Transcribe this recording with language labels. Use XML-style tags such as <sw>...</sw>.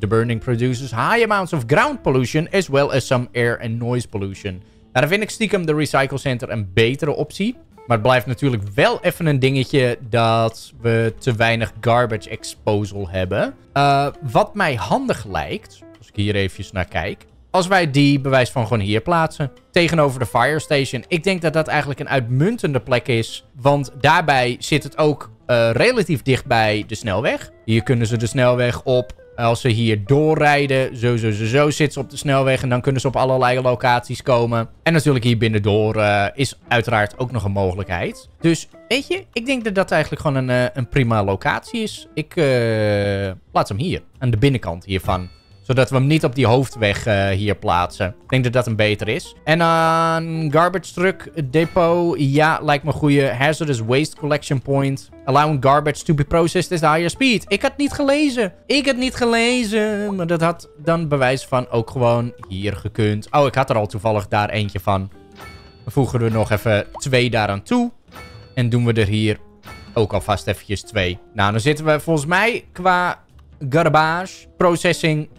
<en>The burning produces high amounts of ground pollution as well as some air and noise pollution.</en> <nl>Nou, dan vind ik stiekem de recycle center een betere optie. Maar het blijft natuurlijk wel even een dingetje dat we te weinig</nl> <en>garbage exposal</en> <nl>hebben. Wat mij handig lijkt, als ik hier eventjes naar kijk. Als wij die bewijs van gewoon hier plaatsen. Tegenover de fire station. Ik denk dat dat eigenlijk een uitmuntende plek is. Want daarbij zit het ook relatief dicht bij de snelweg. Hier kunnen ze de snelweg op Als ze hier doorrijden, zo zit ze op de snelweg. En dan kunnen ze op allerlei locaties komen. En natuurlijk hier binnendoor is uiteraard ook nog een mogelijkheid. Dus weet je, ik denk dat dat eigenlijk gewoon een prima locatie is. Ik plaats hem hier, aan de binnenkant hiervan. Zodat we hem niet op die hoofdweg hier plaatsen. Ik denk dat dat een beter is. En een</nl> <en>garbage truck depot.</en> <nl>Ja, lijkt me een goede.</nl> <en>Hazardous waste collection point. Allowing garbage to be processed at higher speed.</en> <nl>Ik had niet gelezen. Maar dat had dan bewijs van ook gewoon hier gekund. Oh, ik had er al toevallig daar eentje van. We voegen er nog even twee daaraan toe. En doen we er hier ook alvast eventjes twee. Nou, dan zitten we volgens mij qua garbage processing...</nl>